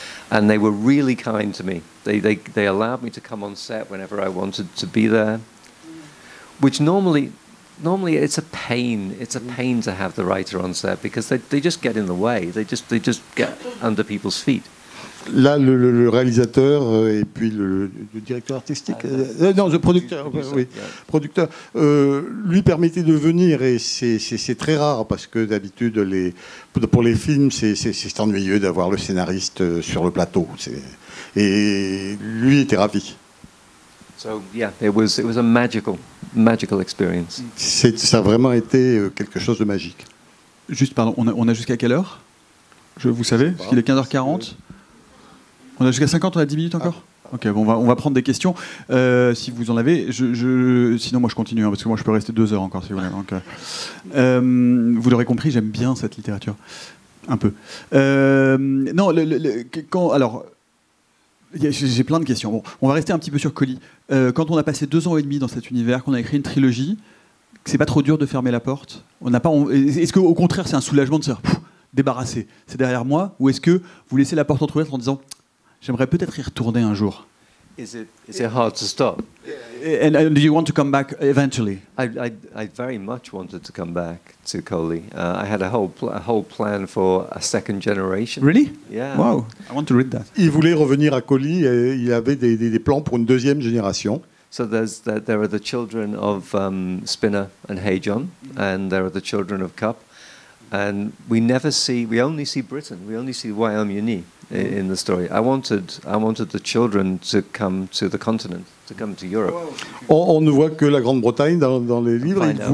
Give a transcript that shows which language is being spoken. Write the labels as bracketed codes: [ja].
[en] And they were really kind to me. They allowed me to come on set whenever I wanted to be there. Which normally it's a pain. It's a pain to have the writer on set because they just get in the way. They just get under people's feet. [fr] Là, le réalisateur et puis le directeur artistique, le producteur, producteur, lui permettait de venir et c'est très rare parce que d'habitude pour les films c'est ennuyeux d'avoir le scénariste sur le plateau. Et lui était ravi. [en] So yeah, it was a magical experience. [fr] Ça a vraiment été quelque chose de magique. Juste pardon, on a jusqu'à quelle heure? Vous savez, parce qu'il est 15h40. On a jusqu'à 50, on a 10 minutes encore. Ok, bon, on va prendre des questions. Si vous en avez, sinon moi je continue, hein, parce que moi je peux rester 2 heures encore, si vous voulez. Donc, vous l'aurez compris, j'aime bien cette littérature. Un peu. Non, alors, j'ai plein de questions. Bon, on va rester un petit peu sur Colly. Quand on a passé 2 ans et demi dans cet univers, qu'on a écrit une trilogie, c'est pas trop dur de fermer la porte? Est-ce qu'au contraire, c'est un soulagement de se dire « débarrassé, c'est derrière moi » ou est-ce que vous laissez la porte entrouverte en disant « j'aimerais peut-être y retourner un jour. [en] Is it hard to stop? And do you want to come back eventually? I very much wanted to come back to Colly. I had a whole plan for a second generation. Really? Yeah. Wow. I want to read that. [fr] Il voulait revenir à Colly et il avait des plans pour une deuxième génération. [en] So there are the children of Spinner and Heijon, and there are the children of Cup, and we only see Britain. We only see Wyoming. In the story, I wanted the children to come to the continent, to come to Europe. [fr] On ne voit que la Grande-Bretagne dans les livres.